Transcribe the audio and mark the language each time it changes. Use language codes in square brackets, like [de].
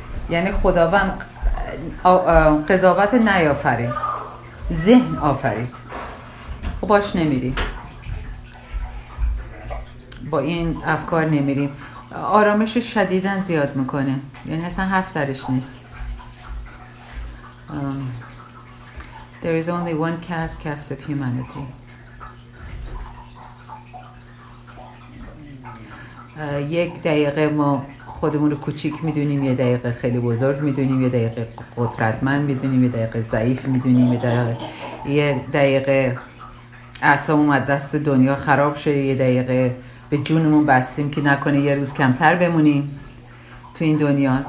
[fa] یعنی خداوند قضاوت نیافرید، ذهن آفرید. باش نمیریم، با این افکار نمیریم، آرامش رو شدیداً زیاد میکنه. یعنی اصلا حرف درش نیست. [en] There is only one caste, caste of humanity. [fa] یک دقیقه ما خودمون رو کوچیک میدونیم، یه دقیقه خیلی بزرگ میدونیم، یه دقیقه قدرتمند میدونیم، یه دقیقه ضعیف میدونیم، یه دقیقه اعصاب اومد دست، دنیا خراب شده، یه دقیقه به جونمون بستیم که نکنه یه روز کمتر بمونیم تو این دنیا.